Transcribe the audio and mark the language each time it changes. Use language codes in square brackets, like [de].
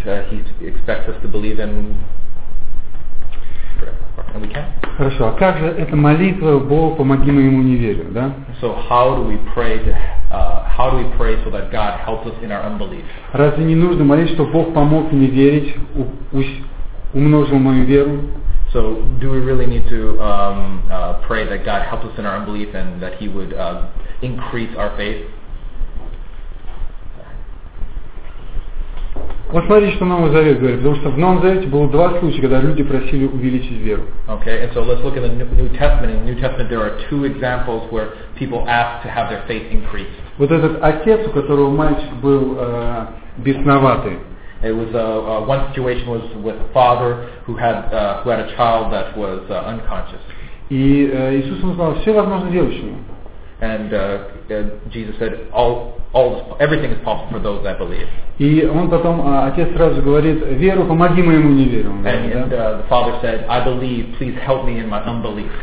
[en] He expects us to believe in. And we can. [ru] Хорошо. А как же эта молитва Богу, помоги моему неверию, да? [en] So how do we pray so that God helps us in our unbelief? [ru] Разве не нужно молить, чтобы Бог помог мне верить, умножил мою веру? [en] So do we really need to pray that God helps us in our unbelief and that He would increase our faith? [ru] Вот смотрите, что Новый Завет говорит, потому что в Новом Завете было два случая, когда люди просили увеличить веру. [en] Okay, and so let's look at the New Testament. In the New Testament there are two examples where people asked to have their faith increased. [ru] Вот этот отец, у которого мальчик был бесноватый. [en] It was one situation was with a father who had a child that was unconscious. [ru] И Иисус сказал, все возможно верующему. [en] And Jesus said, all everything is possible for those that believe. [ru] И он потом отец сразу говорит: "Веру, помоги моему неверию". [en] And the father said, "I believe, please help me in my unbelief".